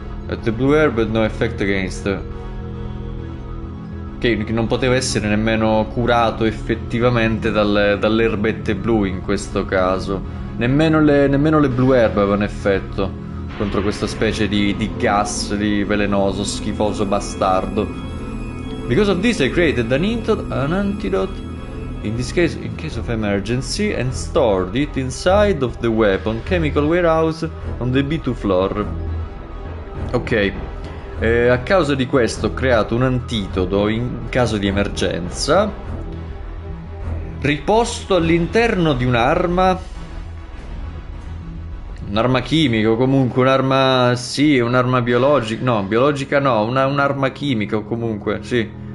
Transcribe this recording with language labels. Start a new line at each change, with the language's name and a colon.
English: At the blue herb had no effect against.
Italian: Che non poteva essere nemmeno curato effettivamente dalle erbette blu in questo caso. Nemmeno le blu erbe avevano effetto contro questa specie di gas, di velenoso, schifoso bastardo.
English: Because of this I created an antidote in case of emergency and stored it inside of the weapon chemical warehouse on the B2 floor. Ok.
Italian: A causa di questo ho creato un antidoto in caso di emergenza, riposto all'interno di un'arma chimica, o comunque un'arma, sì, un'arma biologica, no, biologica no, un'arma chimica, o comunque, sì.